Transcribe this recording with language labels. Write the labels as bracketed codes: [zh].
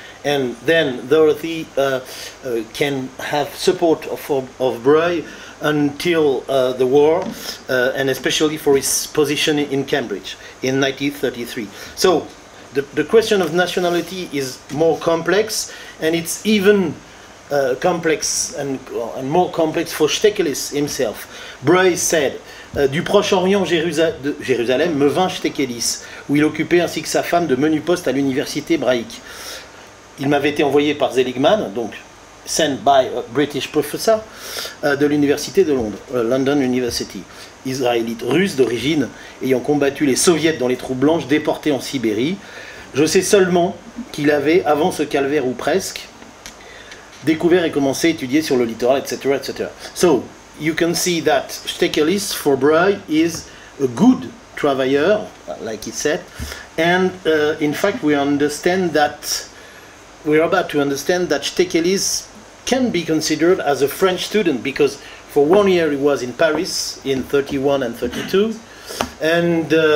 [en] And then Dorothy can have support of Breuil until the war, and especially for his position in Cambridge in 1933. So the question of nationality is more complex, and it's even complex and more complex for Stekelis himself. Bray said, [fr] du Proche-Orient, Jérusalem, me vint Stekelis, où il occupait ainsi que sa femme de menu poste à l'université hébraïque. Il m'avait été envoyé par Zeligman, donc [en] sent by a British professor, [fr] de l'université de Londres, [en] London University, [fr] israélite russe d'origine, ayant combattu les soviets dans les troupes blanches, déporté en Sibérie. Je sais seulement qu'il avait, avant ce calvaire ou presque, découvert et commencé à étudier sur le littoral, etc., etc. [en] So, you can see that Stekelis for Bray is a good traveler, like he said, and in fact we understand that, we are about to understand that Stekelis can be considered as a French student, because for 1 year he was in Paris in 31 and 32, and